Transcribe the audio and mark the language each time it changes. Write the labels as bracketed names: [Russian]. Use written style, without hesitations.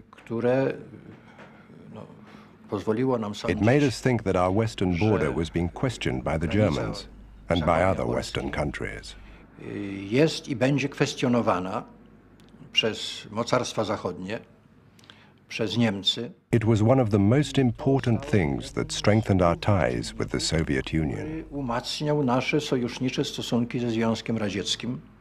[English] It made us think that our western border was being questioned by the Germans and by other western countries. [Polish] Jest i będzie kwestionowana przez mocarstwa zachodnie, przez Niemcy. [English] It was one of the most important things that strengthened our ties with the Soviet Union. [Polish] Umacniał nasze sojusznicze stosunki ze Związkiem Radzieckim.